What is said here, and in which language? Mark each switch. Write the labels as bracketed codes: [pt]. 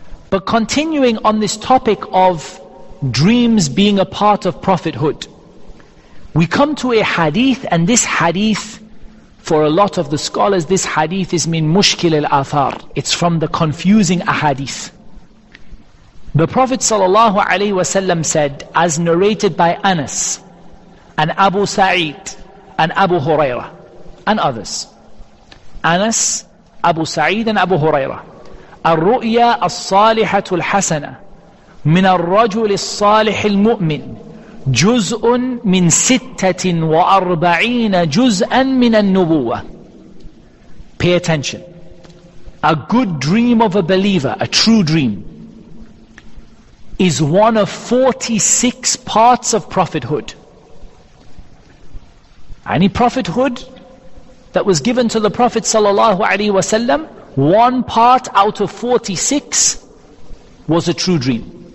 [en] But continuing on this topic of dreams being a part of prophethood, we come to a hadith, and this hadith, for a lot of the scholars, this hadith is [ar] min mushkil al-athar. [en] It's from the confusing ahadith. The Prophet [ar] sallallahu alaihi wasallam [en] said, as narrated by Anas, and Abu Sa'id, and Abu Hurairah, and others. Anas, Abu Sa'id, and Abu Hurairah. [ar] الرؤيا الصالحة الحسنة من الرجل الصالح المؤمن جزء من 46 جزءا من النبوة. [en] Pay attention. A good dream of a believer, a true dream, is one of 46 parts of prophethood. Any prophethood that was given to the Prophet [ar] sallallahu alaihi wasallam, [en] one part out of 46 was a true dream.